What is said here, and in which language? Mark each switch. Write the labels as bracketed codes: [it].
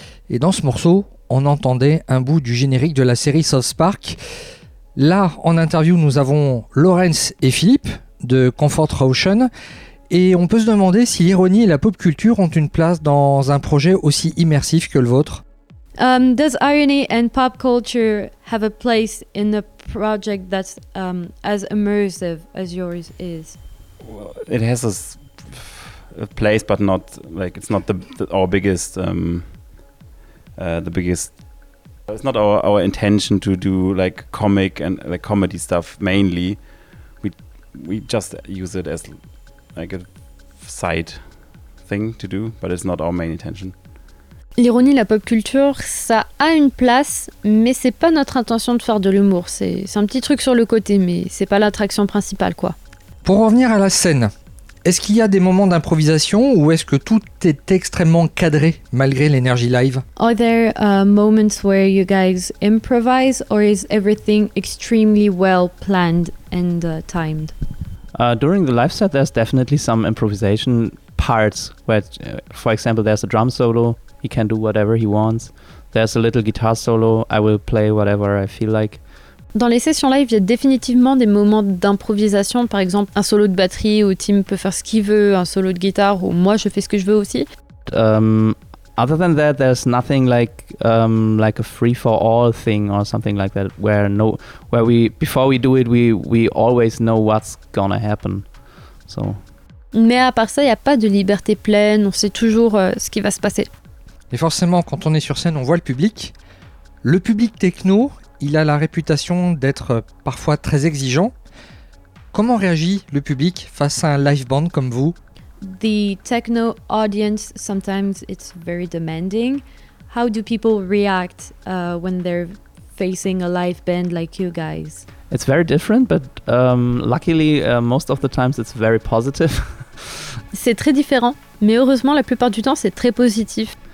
[fr] Et dans ce morceau, on entendait un bout du générique de la série South Park. Là, en interview, nous avons Lawrence et Philippe de Comfort Ocean. Et on peut se demander si l'ironie et la pop culture ont une place dans un projet aussi immersif que le vôtre. [en] Does irony and pop culture have a place in the project that's as immersive as yours is? Well, it has a place, but not like it's not our intention to do like comic and like comedy stuff mainly. We just use it as like a side thing to do, but it's not our main intention. [fr] L'ironie, la pop culture, ça a une place, mais c'est pas notre intention de faire de l'humour. C'est un petit truc sur le côté, mais c'est pas l'attraction principale, quoi. Pour revenir à la scène, est-ce qu'il y a des moments d'improvisation ou est-ce que tout est extrêmement cadré malgré l'énergie live? [en] Are there moments where you guys improvise or is everything extremely well planned and timed? During the live set, there's definitely some improvisation parts where, for example, there's a drum solo. He can do whatever he wants. There's a little guitar solo. I will play whatever I feel like. [fr] Dans les sessions live, il y a définitivement des moments d'improvisation. Par exemple, un solo de batterie où Tim peut faire ce qu'il veut, un solo de guitare où moi je fais ce que je veux aussi. [en] Other than that, there's nothing like a free for all thing or something like that. Before we do it, we always know what's gonna happen. So. [fr] Mais à part ça, il y a pas de liberté pleine. On sait toujours ce qui va se passer. Et forcément, quand on est sur scène, on voit le public. Le public techno, il a la réputation d'être parfois très exigeant. Comment réagit le public face à un live band comme vous? [en] The techno audience, sometimes it's very demanding. How do people react when they're facing a live band like you guys? It's very different, but luckily, most of the times, it's very positive. [fr] C'est très différent, mais heureusement, la plupart du temps, c'est très positif.